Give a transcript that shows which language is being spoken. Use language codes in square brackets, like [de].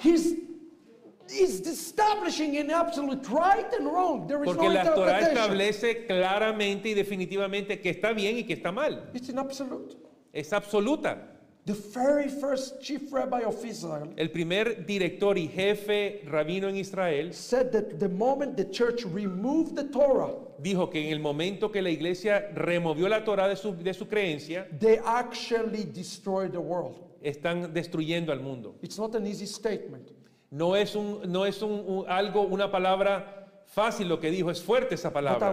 [en] is establishing an absolute right and wrong. There is [es] porque no la Torah establece claramente y definitivamente que está bien y que está mal. [en] It's an absolute. [es] Es absoluta. [en] The very first chief rabbi of Israel, [es] el primer director y jefe rabino en Israel, [en] said that the moment the church removed the Torah, [es] dijo que en el momento que la iglesia removió la Torah de su creencia, [en] they actually destroyed the world. [es] Están destruyendo al mundo. [en] It's not an easy statement. [es] No es algo, una palabra Fácil lo que dijo, es fuerte esa palabra.